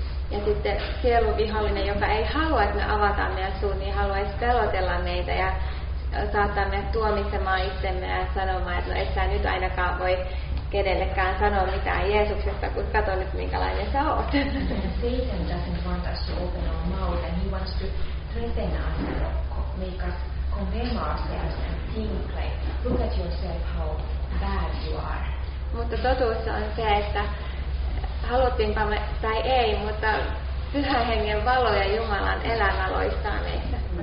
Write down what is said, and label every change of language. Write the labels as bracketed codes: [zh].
[fi] Ja sitten sieluvihollinen, joka ei halua, että me avataan meidän suun, niin haluaisi pelotella meitä ja saattaa mennä tuomitsemaan itsemme ja sanomaan, että no et sä nyt ainakaan voi kenellekään sanoa mitään Jeesuksesta, kun katso nyt minkälainen sä oot. [en] Satan doesn't want us to open our mouth and he wants to threaten us and make us condemn ourselves and think like, look at yourself how bad you are. [fi] Mutta totuus on se, että haluttiinpa me, tai ei, mutta Pyhän Hengen valo ja Jumalan elämä loistaa meissä.